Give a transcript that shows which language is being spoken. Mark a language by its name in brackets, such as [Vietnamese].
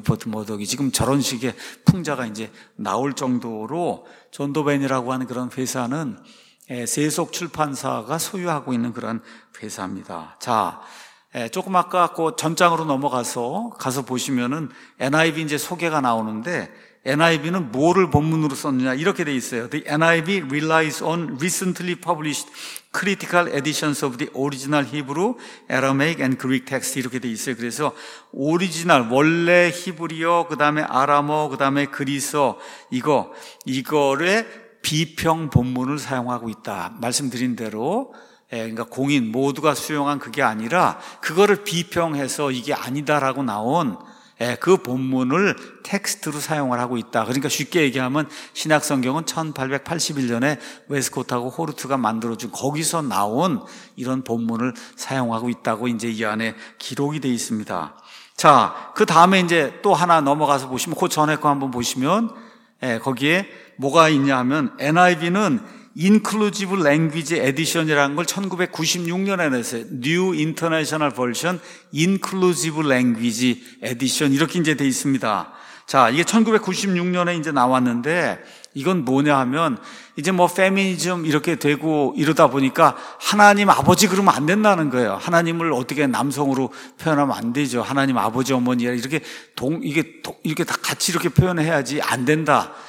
[Korean] 루퍼트 머덕이 지금 저런 식의 풍자가 이제 나올 정도로 존도벤이라고 하는 그런 회사는 세속 출판사가 소유하고 있는 그런 회사입니다. 자, 조금 아까 그 전장으로 넘어가서 보시면은 NIV 이제 소개가 나오는데 NIV는 뭐를 본문으로 썼느냐 이렇게 돼 있어요. [English] The NIV relies on recently published critical editions of the original Hebrew, Aramaic and Greek text [Korean] 이렇게 돼 있어요. 그래서 오리지널 원래 히브리어 그다음에 아람어 그다음에 그리스어 이거를 비평 본문을 사용하고 있다. 말씀드린 대로 그러니까 공인 모두가 수용한 그게 아니라 그거를 비평해서 이게 아니다라고 나온 그 본문을 텍스트로 사용을 하고 있다. 그러니까 쉽게 얘기하면 신약성경은 1881년에 웨스코트하고 호르트가 만들어준 거기서 나온 이런 본문을 사용하고 있다고 이제 이 안에 기록이 돼 있습니다. 자, 그 다음에 이제 또 하나 넘어가서 보시면 그 전에 거 한번 보시면 거기에 뭐가 있냐 하면 NIV는 Inclusive Language Edition이라는 걸 1996년에 냈어요. New International Version Inclusive Language Edition 이렇게 이제 돼 있습니다. 자, 이게 1996년에 이제 나왔는데 이건 뭐냐 하면 이제 뭐 페미니즘 이렇게 되고 이러다 보니까 하나님 아버지 그러면 안 된다는 거예요. 하나님을 어떻게 남성으로 표현하면 안 되죠. 하나님 아버지 어머니 이렇게 다 같이 이렇게 표현해야지 안 된다.